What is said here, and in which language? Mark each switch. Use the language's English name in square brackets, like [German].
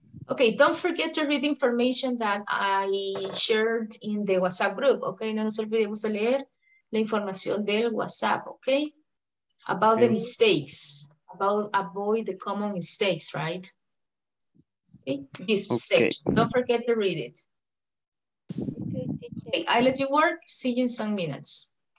[English] Okay, don't forget to read the information that I shared in the WhatsApp group. [Spanish] Okay, no nos olvidemos de leer la información del WhatsApp, okay? [English] About okay. The mistakes, about avoid the common mistakes, right? Okay, this okay. Mistake, don't forget to read it. Okay, I let you work, see you in some minutes.